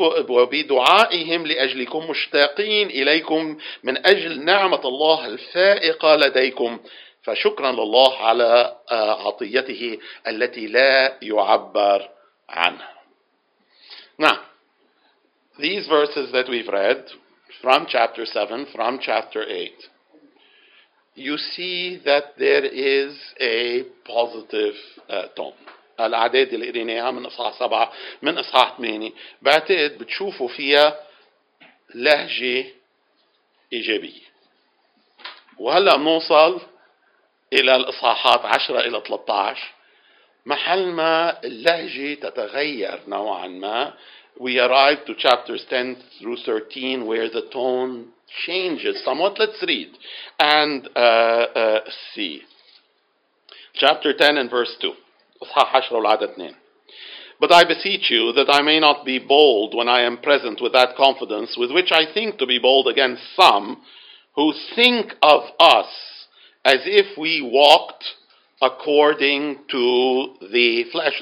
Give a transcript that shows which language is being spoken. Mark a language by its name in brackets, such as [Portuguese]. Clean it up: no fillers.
[Arabic] وبدعائهم لأجلكم مشتاقين إليكم من أجل نعمة الله الفائقة لديكم فشكرا لله على عطيته التي لا يعبر عنها. [English] Now, these verses that we've read from chapter 7, from chapter 8, you see that there is a positive tone. [Arabic] الأعداد اللي قريناها من أصحاح 7 من أصحاح 8 بعتقد بتشوفوا فيها لهجة إيجابية. وهلأ نوصل إلى الإصحاحات 10 إلى 13 محل ما اللهجة تتغير نوعا ما. [English] We arrive to chapters 10 through 13 where the tone changes somewhat. Let's read and see. Chapter 10 and verse 2. [Arabic] إصحاح 10 والعدد 2. [English] But I beseech you that I may not be bold when I am present with that confidence with which I think to be bold against some who think of us as if we walked according to the flesh.